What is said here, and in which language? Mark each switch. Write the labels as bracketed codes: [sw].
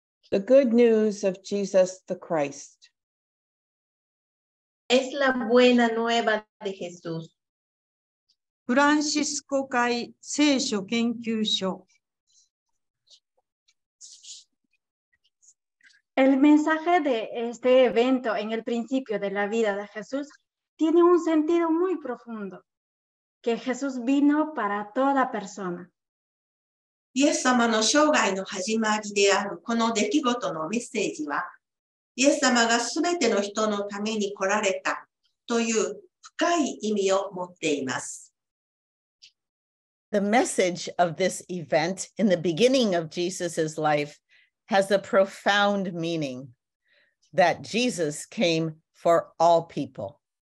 [en] The good news of Jesus the Christ. [es] Es la buena nueva de Jesús. [ja] フランシスコ会聖書研究所。 [es] El mensaje de este evento en el principio de la vida de Jesús tiene un sentido muy profundo, que Jesús vino para toda persona. [ja] イエス様の生涯の始まりであるこの出来事のメッセージは、イエス様がすべての人のために来られたという深い意味を持っています。 [en] The message of this event in the beginning of Jesus's life has a profound meaning that Jesus came for all people.